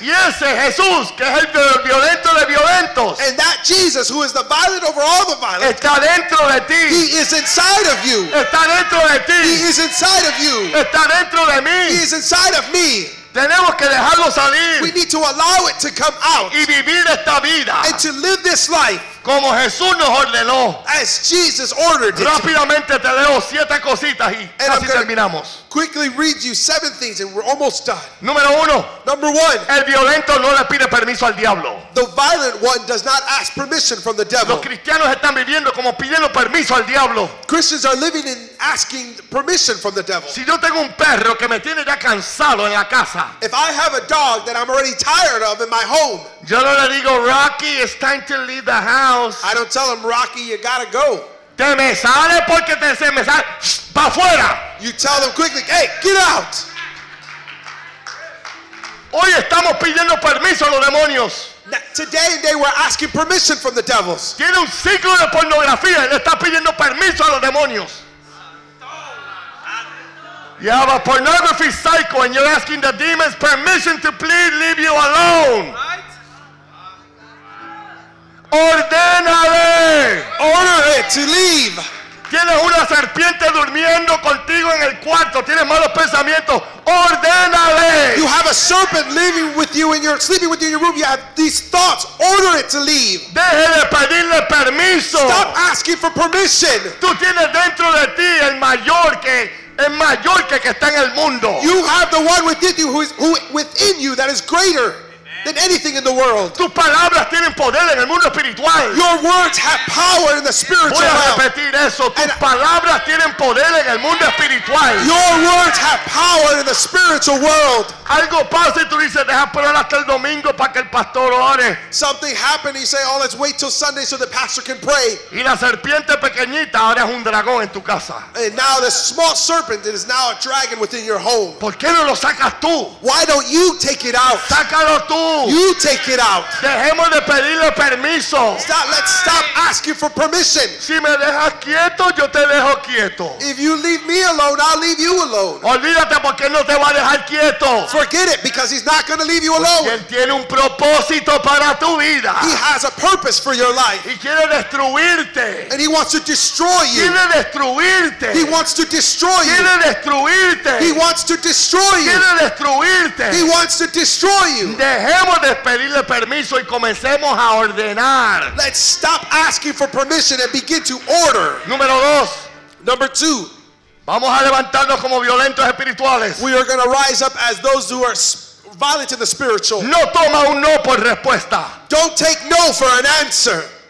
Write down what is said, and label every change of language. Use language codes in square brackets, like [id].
[es] Y ese Jesús, que es el violento de violentos. [en] And that Jesus, who is the violent over all the violent. [es] Está dentro de ti. [en] He is inside of you. [es] Está dentro de ti. [en] He is inside of you. [es] Está dentro de mí. [en] He is inside of me. [es] Tenemos que dejarlo salir. [en] We need to allow it to come out. [es] Y vivir esta vida. [en] And to live this life. [es] Como Jesús nos ordenó. [en] As Jesus ordered it. [es] Rápidamente te leo 7 cositas y [en] and [es] casi terminamos. [en] Quickly read you 7 things and we're almost done. [es] Número uno. [en] Number one. [es] El violento no le pide permiso al diablo. [en] The violent one does not ask permission from the devil. [es] Los cristianos están viviendo como pidiendo permiso al diablo. [en] Christians are living and asking permission from the devil. [es] Si yo tengo un perro que me tiene ya cansado en la casa. [en] If I have a dog that I'm already tired of in my home. [es] Yo no le digo, Rocky, [en] it's time to leave the house. I don't tell him, Rocky, you gotta go. [es] Te me sale porque te se me sale. Shh, pa' fuera. [en] You tell them quickly, hey, get out. [es] Hoy estamos pidiendo permiso a los demonios. [en] Today they were asking permission from the devils. [es] Tiene un ciclo de pornografía y le está pidiendo permiso a los demonios. [en] You have a pornography cycle and you're asking the demons permission to please leave you alone. [es] Ordénale. [en] Order it to leave. [es] Tienes una serpiente durmiendo contigo en el cuarto. Tienes malos pensamientos. Ordénale. [en] You have a serpent living with you and you're sleeping with you in your room. You have these thoughts. Order it to leave. [es] Deje de pedirle permiso. [en] Stop asking for permission. [es] Tú tienes dentro de ti el mayor que está en el mundo. [en] You have the one within you who is within you that is greater. Amen. than anything in the world. [es] Tus palabras tienen poder en el mundo espiritual. [en] Your words have power in the spiritual realm. [es] Voy a repetir eso. Tus palabras tienen poder en el mundo espiritual. [en] Your words have power in the spiritual world. [es] Algo pasa y tú dices, deja esperar hasta el domingo para que el pastor ore. [en] Something happened, you say, oh, let's wait till Sunday so the pastor can pray. [es] Y la serpiente pequeñita ahora es un dragón en tu casa. [en] And now the small serpent is now a dragon within your home. [es] ¿Por qué no lo sacas tú? [en] Why don't you take it out? [es] Sácalo tú. [en] You take it out. [es] Dejemos de pedirle permiso. [en] Let's stop asking for permission. [es] Si me dejas quieto, yo te dejo quieto. [en] If you leave me alone, I'll leave you alone. [es] Olvídate porque no te va a dejar quieto. [en] Forget it, because he's not going to leave you alone. [es] Él tiene un propósito para tu vida. [en] He has a purpose for your life. [es] Y quiere destruirte. [en] And he wants to destroy you. [es] Quiere destruirte. [en] He wants to destroy you. [es] Quiere destruirte. [en] He wants to destroy you. [es] Quiere destruirte. [en] He wants to destroy you. [es] Dejemos de pedirle permiso y comencemos a ordenar. [en] Let's stop asking for permission and begin to order. [es] Número dos. [en] Number two. [es] Vamos a levantarnos como violentos espirituales. [en] We are going to rise up as those who are violent in the spiritual. [es] No toma un no por respuesta. [en] Don't take no for an answer.